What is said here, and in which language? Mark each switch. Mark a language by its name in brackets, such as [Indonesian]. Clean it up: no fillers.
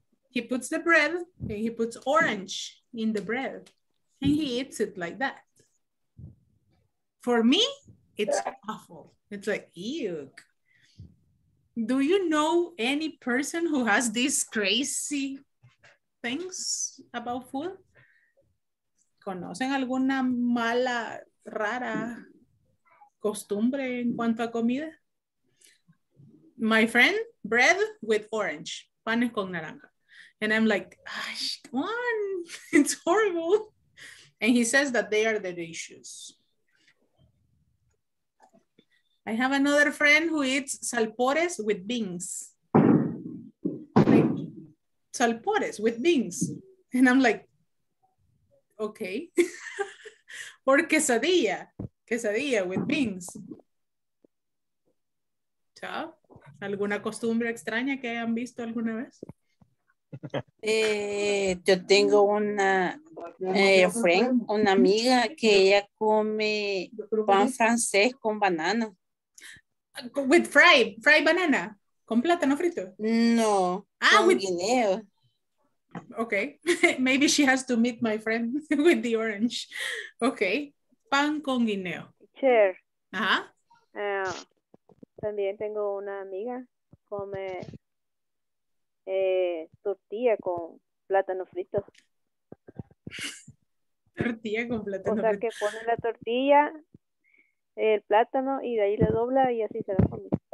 [English] He puts the bread and he puts orange in the bread and he eats it like that. For me, it's awful. It's like, yuck. Do you know any person who has these crazy things about food? [Spanish] ¿Conocen alguna mala, rara costumbre en cuanto a comida? [English] My friend, bread with orange, [Spanish] panes con naranja. [English] And I'm like, gosh, come on, it's horrible. And he says that they are delicious. I have another friend who eats salpores with beans. Like, salpores with beans. And I'm like, okay. Or quesadilla, quesadilla with beans. [Spanish] So, ¿alguna costumbre extraña que hayan visto alguna vez? Yo tengo una friend, una amiga que ella come pan francés con banana. [English] With fried banana, [Spanish] con plátano frito. No. Ah, con guineo. [English] Okay, maybe she has to meet my friend with the orange. [Spanish] Okay, pan con guineo. [English] Chair. Ajá. [Spanish] También tengo una amiga come tortilla con plátano frito. Tortilla con plátano frito. O sea, que pone la tortilla, el plátano, y de ahí le dobla y así se la come.